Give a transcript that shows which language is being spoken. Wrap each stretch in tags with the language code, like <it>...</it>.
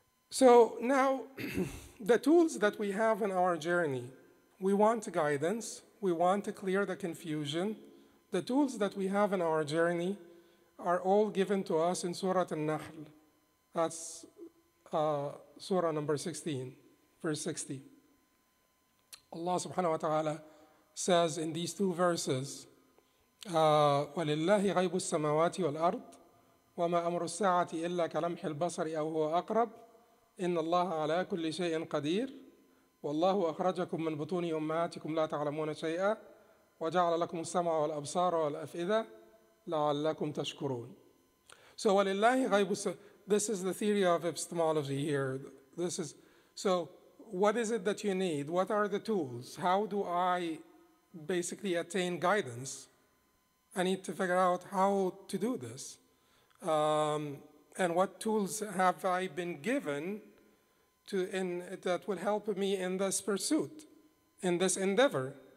<en>So now, the tools that we have in our journey, we want guidance, we want to clear the confusion. The tools that we have in our journey are all given to us in Surah An-Nahl. That's Surah number 16, verse 60. Allah subhanahu wa ta'ala says in these two verses,</en> <ar>وَلِلَّهِ غَيْبُ السَّمَوَاتِ وَالْأَرْضِ وَمَا أَمْرُ السَّاعَةِ إِلَّا كَلَمْحِ الْبَصَرِ أَوْ هُوَ أَقْرَبُ إِنَّ اللَّهَ عَلَى كُلِّ شَيْءٍ قَدِيرٌ وَاللَّهُ أَخْرَجَكُم مِّن بُطُونِ أُمَّهَاتِكُمْ لَا تَعْلَمُونَ شَيْئًا وَجَعَلَ لَكُمُ السَّمْعَ وَالْأَبْصَارَ وَالْأَفْئِدَةَ لَعَلَّكُمْ تَشْكُرُونَ.</ar> <en>So,</en> <ar>وَلِلَّهِ غَيْبُ</ar> <en>This is the theory of epistemology here. This is, so what is it that you need? What are the tools? How do I basically attain guidance? I need to figure out how to do this. And what tools have I been given that will help me in this pursuit, in this endeavor?</en>